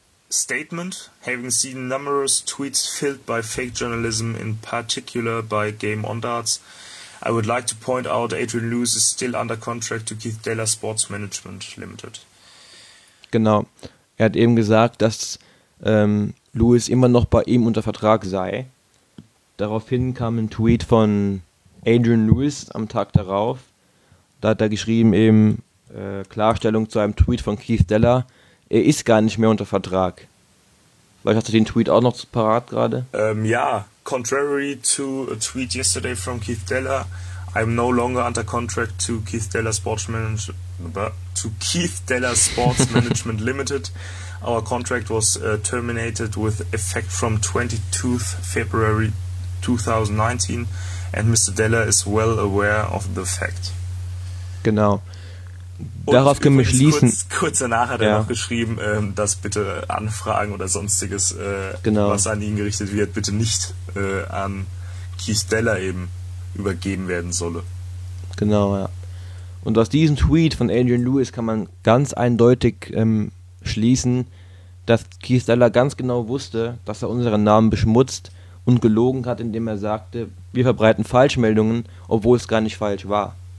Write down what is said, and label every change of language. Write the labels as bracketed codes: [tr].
[en] Statement, having seen numerous tweets filled by fake journalism, in particular by Game On Darts, I would like to point out Adrian Lewis is still under contract to Keith Taylor Sports Management Limited. [de] Genau. Er hat eben gesagt, dass Lewis immer noch bei ihm unter Vertrag sei. Daraufhin kam ein Tweet von Adrian Lewis am Tag darauf, da hat er geschrieben eben Klarstellung zu einem Tweet von Keith Taylor, er ist gar nicht mehr unter Vertrag. Vielleicht hast du den Tweet auch noch parat gerade? [en] Contrary to a tweet yesterday from Keith Taylor, I'm no longer under contract to Keith Taylor Sports Management Limited. Our contract was terminated with effect from 22th February 2019. And Mr. Taylor is well aware of the fact. [de] Genau. Darauf können wir schließen. Kurz danach hat er noch geschrieben, dass bitte Anfragen oder sonstiges, was an ihn gerichtet wird, bitte nicht an Keith Taylor eben übergeben werden solle. Genau, ja. Und aus diesem Tweet von Adrian Lewis kann man ganz eindeutig schließen, dass Keith Taylor ganz genau wusste, dass er unseren Namen beschmutzt und gelogen hat, indem er sagte, wir verbreiten Falschmeldungen, obwohl es gar nicht falsch war.